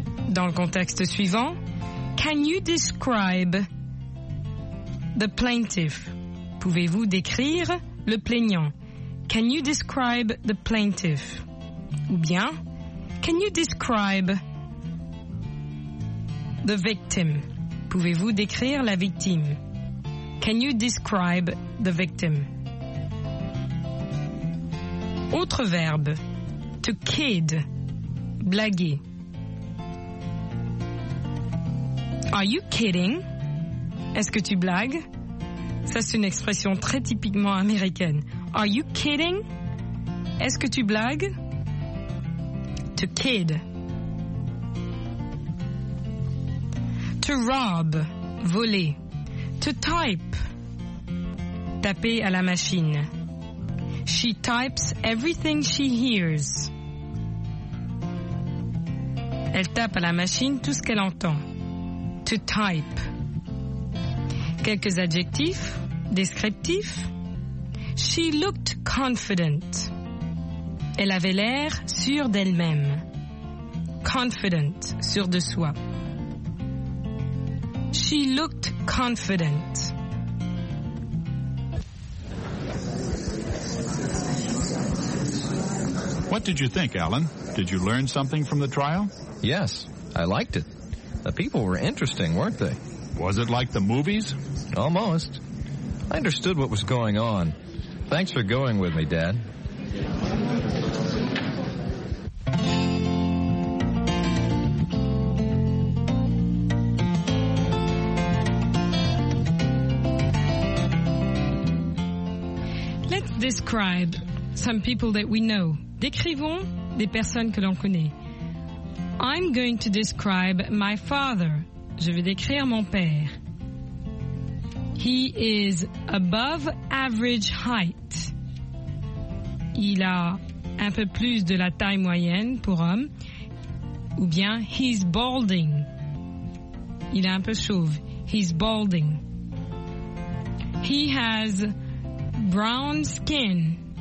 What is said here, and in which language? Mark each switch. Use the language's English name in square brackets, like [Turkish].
[French] Dans le contexte suivant, [English] can you describe the plaintiff? [French] Pouvez-vous décrire le plaignant? [English] Can you describe the plaintiff? [French] Ou bien, [English] can you describe the victim? [French] Pouvez-vous décrire la victime? [English] Can you describe the victim? [French] Autre verbe, [English] to kid, [French] blaguer. [English] Are you kidding? [French] Est-ce que tu blagues? Ça, c'est une expression très typiquement américaine. [English] Are you kidding? [French] Est-ce que tu blagues? [English] To kid. To rob, voler. To type, [French] taper à la machine. [English] She types everything she hears. [French] Elle tape à la machine tout ce qu'elle entend. [English] To type. [French] Quelques adjectifs, descriptifs. [English] She looked confident. [French] Elle avait l'air sûre d'elle-même. Confident, sûre de soi. [English] She looked confident. What did you think, Alan? Did you learn something from the trial? Yes, I liked it. The people were interesting, weren't they? Was it like the movies? Almost. I understood what was going on. Thanks for going with me, Dad. Describe some people that we know. [French] Décrivons des personnes que l'on connaît. [English] I'm going to describe my father. [French] Je vais décrire mon père. [English] He is above average height. [French] Il a un peu plus de la taille moyenne pour homme. Ou bien, [English] he's balding. [French] Il est un peu chauve. [English] He's balding. He has brown skin.